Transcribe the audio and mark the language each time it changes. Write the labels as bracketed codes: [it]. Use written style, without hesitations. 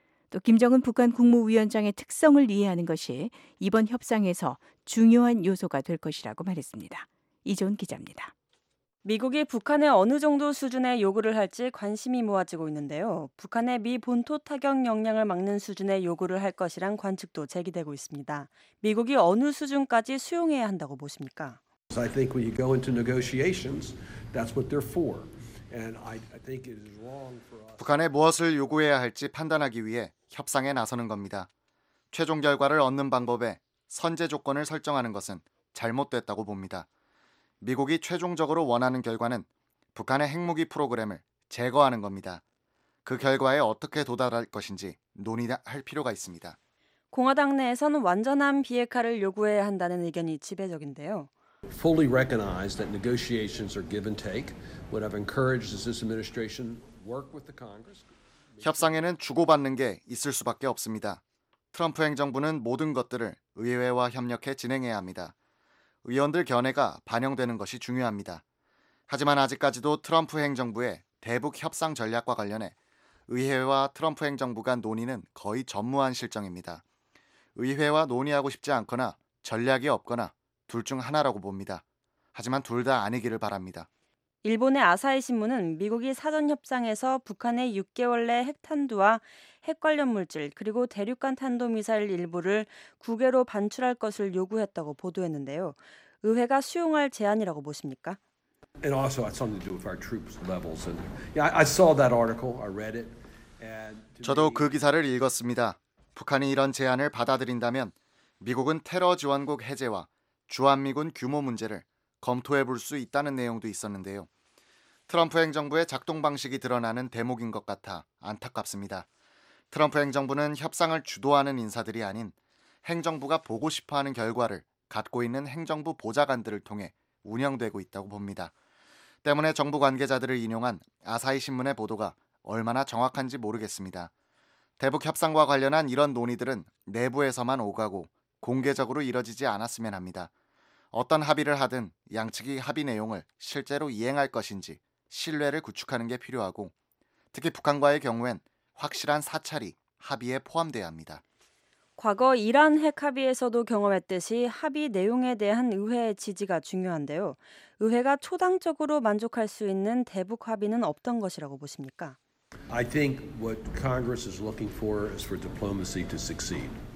[ko] 또 김정은 북한 국무위원장의 특성을 이해하는 것이 이번 협상에서 중요한 요소가 될 것이라고 말했습니다. 이재훈 기자입니다. 미국이 북한에 어느 정도 수준의 요구를 할지 관심이 모아지고 있는데요. 북한의 미 본토 타격 역량을 막는 수준의 요구를 할 것이란 관측도 제기되고 있습니다. 미국이 어느 수준까지 수용해야 한다고 보십니까? [en] I think when you go into negotiations, that's what they're for. And I think it is wrong for us. [ko] 북한에 무엇을 요구해야 할지 판단하기 위해 협상에 나서는 겁니다. 최종 결과를 얻는 방법에 선제 조건을 설정하는 것은 잘못됐다고 봅니다. 미국이 최종적으로 원하는 결과는 북한의 핵무기 프로그램을 제거하는 겁니다. 그 결과에 어떻게 도달할 것인지 논의할 필요가 있습니다. 공화당 내에서는 완전한 비핵화를 요구해야 한다는 의견이 지배적인데요. [en] Fully recognize that negotiations are give and take. Would have encouraged this administration work with the Congress. [ko] 협상에는 주고받는 게 있을 수밖에 없습니다. 트럼프 행정부는 모든 것들을 의회와 협력해 진행해야 합니다. 의원들 견해가 반영되는 것이 중요합니다. 하지만 아직까지도 트럼프 행정부의 대북 협상 전략과 관련해 의회와 트럼프 행정부 간 논의는 거의 전무한 실정입니다. 의회와 논의하고 싶지 않거나 전략이 없거나 둘 중 하나라고 봅니다. 하지만 둘 다 아니기를 바랍니다. 일본의 아사히 신문은 미국이 사전 협상에서 북한의 6개월 내 핵탄두와 핵 관련 물질 그리고 대륙간 탄도미사일 일부를 국외로 반출할 것을 요구했다고 보도했는데요. 의회가 수용할 제안이라고 보십니까? [en] It also had something to do with our troops levels. And I saw that article. I read it. And [ko] 저도 그 기사를 읽었습니다. 북한이 이런 제안을 받아들인다면 미국은 테러 지원국 해제와 주한미군 규모 문제를 검토해 볼 수 있다는 내용도 있었는데요. 트럼프 행정부의 작동 방식이 드러나는 대목인 것 같아 안타깝습니다. 트럼프 행정부는 협상을 주도하는 인사들이 아닌 행정부가 보고 싶어하는 결과를 갖고 있는 행정부 보좌관들을 통해 운영되고 있다고 봅니다. 때문에 정부 관계자들을 인용한 아사히 신문의 보도가 얼마나 정확한지 모르겠습니다. 대북 협상과 관련한 이런 논의들은 내부에서만 오가고 공개적으로 이뤄지지 않았으면 합니다. 어떤 합의를 하든 양측이 합의 내용을 실제로 이행할 것인지 신뢰를 구축하는 게 필요하고 특히 북한과의 경우엔 확실한 사찰이 합의에 포함돼야 합니다. 과거 이란 핵 합의에서도 경험했듯이 합의 내용에 대한 의회의 지지가 중요한데요. 의회가 초당적으로 만족할 수 있는 대북 합의는 어떤 것이라고 보십니까? [en] I think what Congress is looking for is for diplomacy to succeed.